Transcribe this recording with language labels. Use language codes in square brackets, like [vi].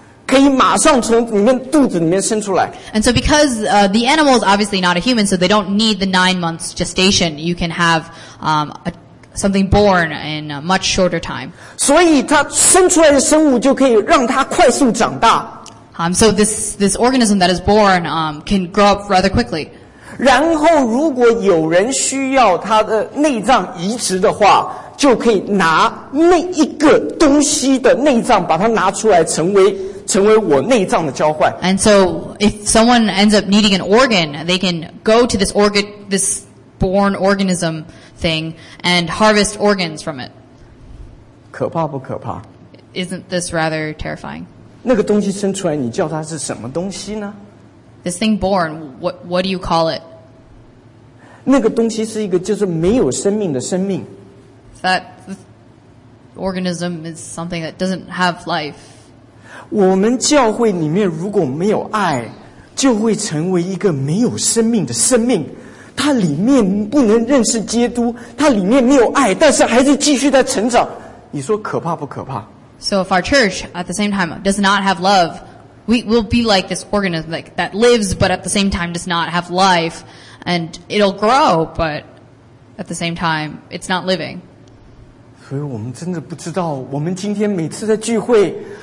[en] And so because the animal is obviously not a human, so they don't need the 9 months gestation. You can have something born in a much shorter time. So this organism that is born can grow up rather quickly. [zh] 然后如果有人需要他的内脏移植的话, 就可以拿那一个东西的内脏把它拿出来成为 [en] And so if someone ends up needing an organ, they can go to this organ, this born organism thing and harvest organs from it. [zh] 可怕不可怕? [en] Isn't this rather terrifying? [zh] 那个东西生出来你叫它是什么东西呢? [en] This thing born, what do you call it? [zh] 那个东西是一个就是没有生命的生命。 [en] That organism is something that doesn't have life. [zh] 我们教会里面如果没有爱，就会成为一个没有生命的生命。它里面不能认识基督，它里面没有爱，但是还是继续在成长。你说可怕不可怕？ [en] So if our church at the same time does not have love, we will be like this organism like that lives, but at the same time does not have life, and it'll grow, but at the same time it's not living. [zh] 所以我们真的不知道，我们今天每次在聚会。